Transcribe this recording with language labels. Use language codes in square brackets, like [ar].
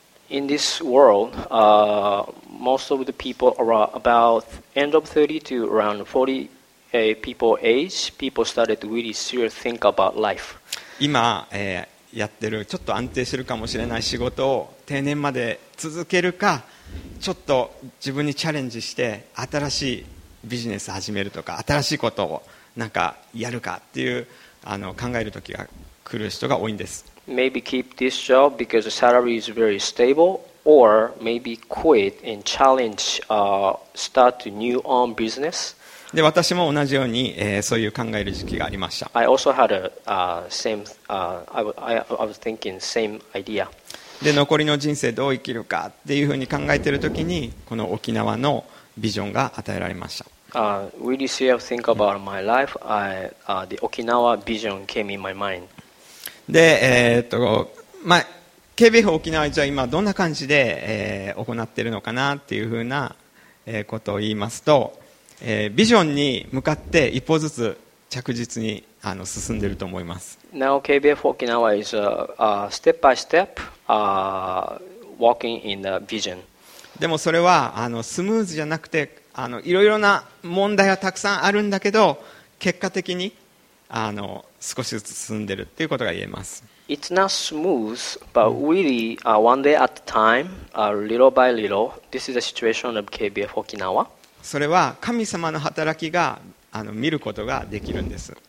[en] In this world, most of the people are about end of 30 to around 40 people age. People started to really seriously think about life. [ja] 今、やってるちょっと安定してるかもしれない仕事を定年まで続けるか、ちょっと自分にチャレンジして新しいビジネス始めるとか、新しいことをなんかやるかっていう考える時が来る人が多いんです。 [en] Maybe keep this job because the salary is very stable, or maybe quit and challenge, start a new own business. [ja] で、私も同じように、そういう考える時期がありました。 [en] I also had a same, I was thinking same idea. [ja] で、残りの人生どう生きるかっていうふうに考えているときに、この沖縄のビジョンが与えられました。 [en] Really see I think about my life. The Okinawa vision came in my mind. [ja] で、まあ、KBF 沖縄じゃ今どんな感じで、行っているのかなっていうふうな、ことを言いますと、ビジョンに向かって一歩ずつ着実に進んでいると思います。 [en] Now KBF 沖縄 is step by step walking in the vision. [ja] でもそれはスムーズじゃなくて、いろいろな問題はたくさんあるんだけど、結果的に少しずつ進んでるっていうことが言えます。 [en] It's not smooth, but really one day at a time, little by little, this is the situation of KBF Okinawa. [ja] それは神様の働きが見ることができるんです。